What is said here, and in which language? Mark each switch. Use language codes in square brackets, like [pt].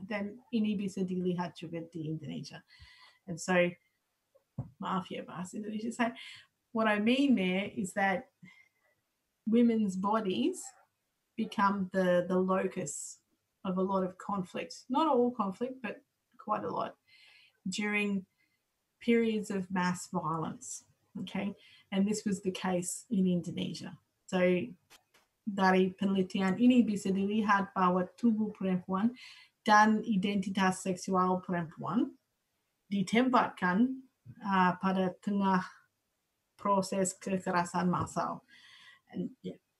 [id] Dan ini bisa dilihat juga di Indonesia. [en] And so, [id] maaf ya bahas Indonesia saya. [en] What I mean there is that women's bodies become the locus of a lot of conflict. Not all conflict, but quite a lot during periods of mass violence. Okay, and this was the case in Indonesia. [id] So dari penelitian ini bisa dilihat bahwa tubuh perempuan dan identitas seksual perempuan ditembakkan pada tengah proses kekerasan massal. [en] And, yeah.